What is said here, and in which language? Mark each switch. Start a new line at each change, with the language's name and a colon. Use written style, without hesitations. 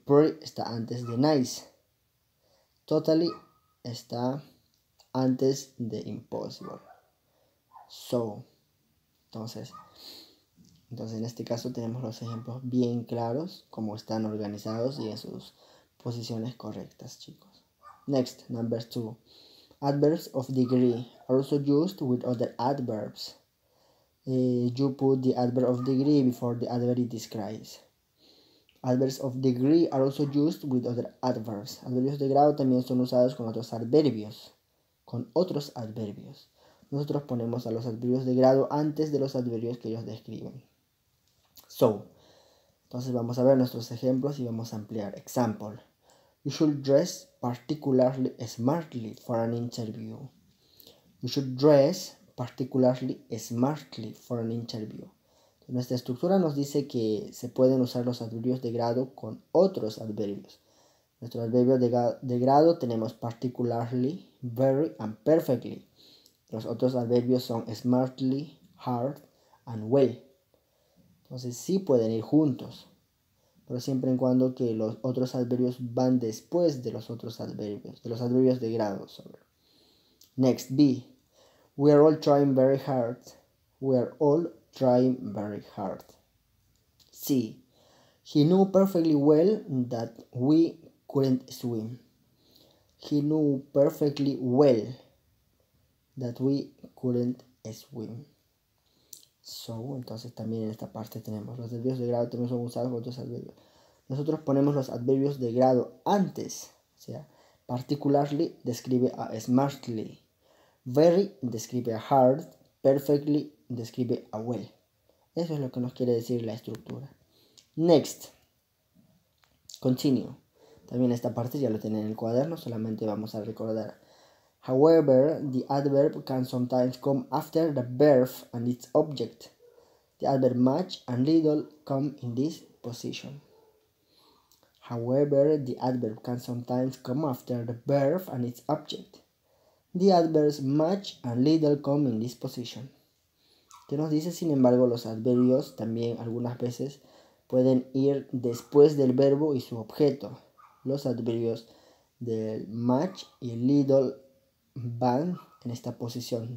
Spanish: Pretty está antes de nice. Totally está antes de impossible. So. Entonces en este caso tenemos los ejemplos bien claros, cómo están organizados y en sus posiciones correctas, chicos.
English: Next, number two. Adverbs of degree are also used with other adverbs. You put the adverb of degree before the adverb it describes. Adverbs of degree are also used with other adverbs.
Spanish: Adverbios de grado también son usados con otros adverbios. Con otros adverbios. Nosotros ponemos a los adverbios de grado antes de los adverbios que ellos describen. So, entonces vamos a ver nuestros ejemplos y vamos a ampliar.
English: Example. You should dress particularly smartly for an interview. You should dress particularly smartly for an interview.
Spanish: Nuestra estructura nos dice que se pueden usar los adverbios de grado con otros adverbios. Nuestro adverbio de grado tenemos particularly, very and perfectly. Los otros adverbios son smartly, hard and well. Entonces sí pueden ir juntos. Pero siempre en cuando que los otros adverbios van después de los otros adverbios, de los adverbios de grado.
English: Next, B. We are all trying very hard. We are all trying very hard. C. He knew perfectly well that we couldn't swim. He knew perfectly well that we couldn't swim.
Spanish: So, entonces también en esta parte tenemos los adverbios de grado, también son usados con otros adverbios. Nosotros ponemos los adverbios de grado antes, o sea, particularly describe a smartly, very describe a hard, perfectly describe a well. Eso es lo que nos quiere decir la estructura.
English: Next, continue.
Spanish: También esta parte ya lo tienen en el cuaderno, solamente vamos a recordar.
English: However, the adverb can sometimes come after the verb and its object. The adverb much and little come in this position. However, the adverb can sometimes come after the verb and its object. The adverbs much and little come in this position.
Spanish: ¿Qué nos dice? Sin embargo, los adverbios también algunas veces pueden ir después del verbo y su objeto. Los adverbios del much y el little van en esta posición.